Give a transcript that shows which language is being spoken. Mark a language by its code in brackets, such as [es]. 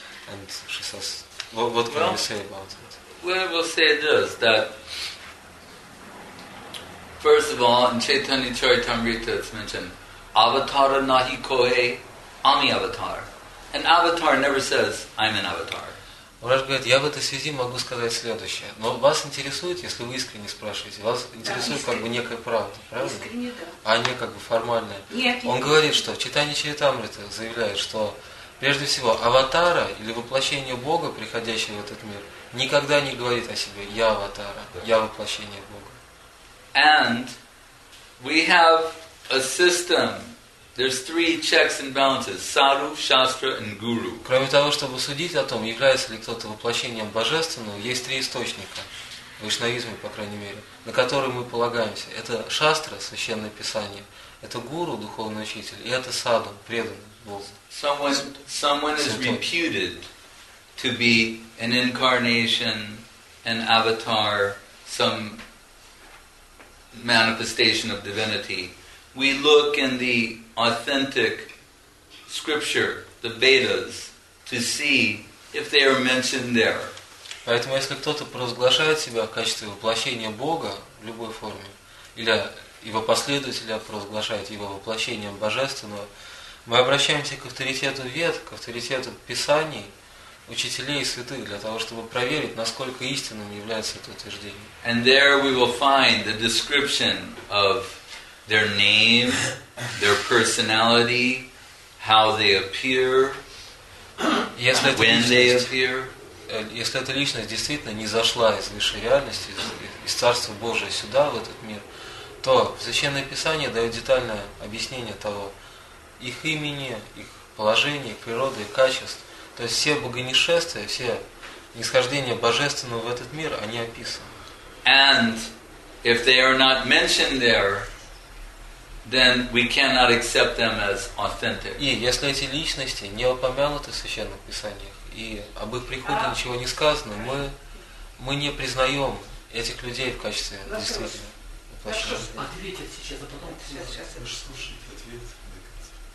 [en] And she says, what can you say about it? Well, I will say this, that first of all, in Chaitanya Charitamrita it's mentioned, [bn] avatara nahi kohe, ami avatar. [en] An avatar never says, I'm an avatar. [ru] Врач говорит, я в этой связи могу сказать следующее. Но вас интересует, если вы искренне спрашиваете, вас интересует как бы некая правда, правда? Искренне, да. А не как бы формальная. Нет. Он говорит, что в Чайтанья Чаритамрита заявляет, что прежде всего аватара или воплощение Бога, приходящего в этот мир, никогда не говорит о себе, я аватара, я воплощение Бога. [en] And we have a system. There's three checks and balances: Sadhu, Shastra, and Guru. [ru] Кроме того, чтобы судить о том, является ли кто-то воплощением божественного, есть три источника, в вишнавизме, по крайней мере, на которые мы полагаемся. Это Шастра, священное писание, это Гуру, духовный учитель, и это Саду, преданный Бог. [en] Someone is reputed to be an incarnation, an avatar, some manifestation of divinity. We look in the authentic scripture, the Vedas, to see if they are mentioned there. [ru] Поэтому, если кто-то провозглашает себя в качестве воплощения Бога в любой форме, или его последователя провозглашает его воплощением Божественного, мы обращаемся к авторитету Вед, к авторитету Писаний, учителей и святых, для того, чтобы проверить, насколько истинным является это утверждение. [en] And there we will find the description of their name, their personality, how they appear, when they appear. [ru] Если эта личность действительно не зашла из высшей реальности, из Царства Божия сюда, в этот мир, то Священное Писание дает детальное объяснение того, их имени, их положения, природы и качеств. То есть все богонисшествия, все нисхождения Божественного в этот мир, они описаны. [en] And if they are not mentioned there, then we cannot accept them as authentic. [ru] И если эти личности не упомянуты в священных писаниях и об их приходе ничего не сказано, мы не признаем этих людей в качестве действительно воплощенных. Ответьте сейчас, а потом сейчас вы же слушаете ответ до конца.